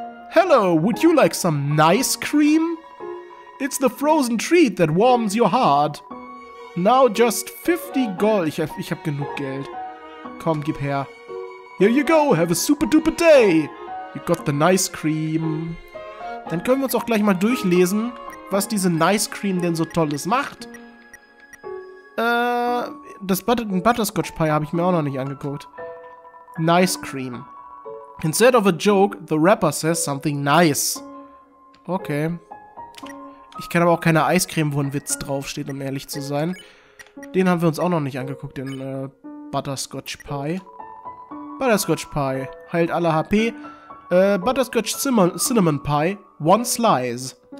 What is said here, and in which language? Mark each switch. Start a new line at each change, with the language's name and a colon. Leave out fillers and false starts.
English: Hello, would you like some nice cream? It's the frozen treat that warms your heart. Now just 50 gold.
German: Ich hab genug Geld. Komm, gib her.
English: Here you go, have a super duper day. You got the nice cream.
German: Dann können wir uns auch gleich mal durchlesen, was diese Nice Cream denn so Tolles macht. Das Butterscotch Pie habe ich mir auch noch nicht angeguckt.
English: Nice Cream. Instead of a joke, the rapper says something nice. Okay.
German: Ich kenne aber auch keine Eiscreme, wo ein Witz draufsteht, um ehrlich zu sein. Den haben wir uns auch noch nicht angeguckt, den Butterscotch Pie. Butterscotch Pie heilt alle HP. Butterscotch Cinnamon Pie,
English: one slice.